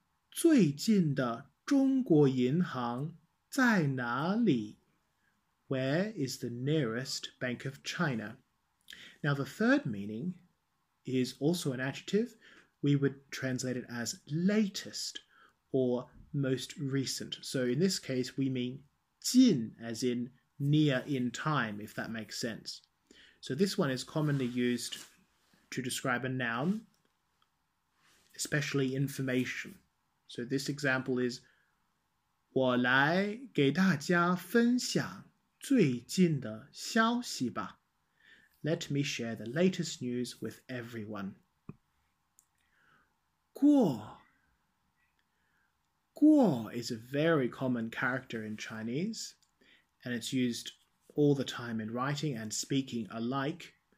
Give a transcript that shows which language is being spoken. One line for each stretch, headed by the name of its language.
Chinese: 最近的中国银行在哪里?
English: Where is the nearest Bank of China? Now the third meaning is also an adjective. We would translate it as latest or most recent. So in this case, we mean 近, as in near in time, if that makes sense. So this one is commonly used to describe a noun, especially information. So this example is
Chinese: 我来给大家分享最近的消息吧.
English: Let me share the latest news with everyone.
Chinese: 过
English: Guo is a very common character in Chinese, and it's used all the time in writing and speaking alike.